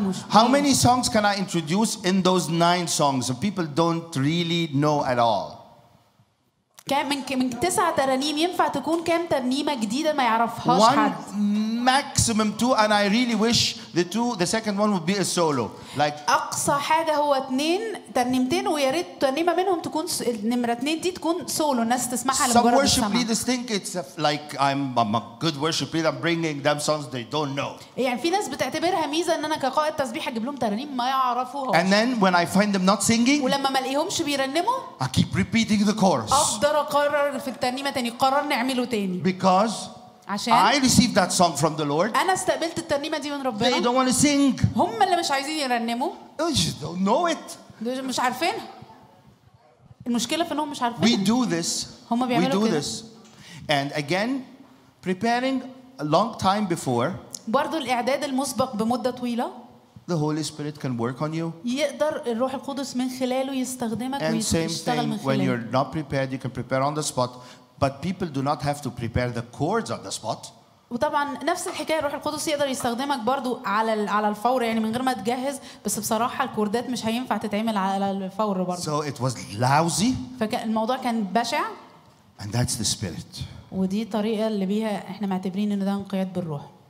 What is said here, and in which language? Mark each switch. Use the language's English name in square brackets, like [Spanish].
[English] How many songs can I introduce in those nine songs that people don't really know at all? [Arabic] من تسعة ترانيم ينفع تكون كم ترنيمة جديدة ما يعرفهاش حد. [English] One maximum two and I really wish the second one would be a solo. Like [Arabic] أقصى حاجة هو اثنين ترنيمتين وياريت ترنيمة منهم تكون نمرة اثنين دي تكون solo الناس تسمعها لمجرد السماع. [English] Some worship leaders think it's like I'm a good worship leader bringing them songs they don't know. [Arabic] يعني في ناس بتعتبرها ميزة ان انا كقائد تسبيح اجيب لهم ترانيم ما يعرفوها. [English] And then when I find them not singing [Arabic] ولما ما الاقيهمش بيرنموا [English] I keep repeating the chorus. [Arabic] قرر في الترنيمة تاني قرر نعمله تاني. [English] Because [Arabic] عشان [English] I received that song from the Lord. [Arabic] أنا استقبلت الترنيمة دي من ربنا. [English] They don't want to sing. [Arabic] هم اللي مش عايزين يرنموا. [English] They don't know it. [Arabic] مش عارفين. المشكلة في إنهم مش عارفين. [English] We do this. [Arabic] هم بيعملوا كده. [English] We do this. And again, preparing a long time before. [Arabic] برضو الإعداد المسبق بمدة طويلة. [English] The Holy Spirit can work on you. [Arabic] يقدر الروح القدس من خلاله يستخدمك ويشتغل من خلاله. [English] And same thing, when you're not prepared, you can prepare on the spot, but people do not have to prepare the chords on the spot. [Arabic] وطبعا نفس الحكاية الروح القدس يقدر يستخدمك برضو على الفور يعني من غير ما تجهز بس بصراحة الكوردات مش هينفع تتعمل على الفور برضو. [English] So it was lousy. [Arabic] فالموضوع كان بشع. [English] And that's the Spirit. [Arabic] ودي طريقة اللي بيها إحنا معتبرين إنه ده انقياد بالروح.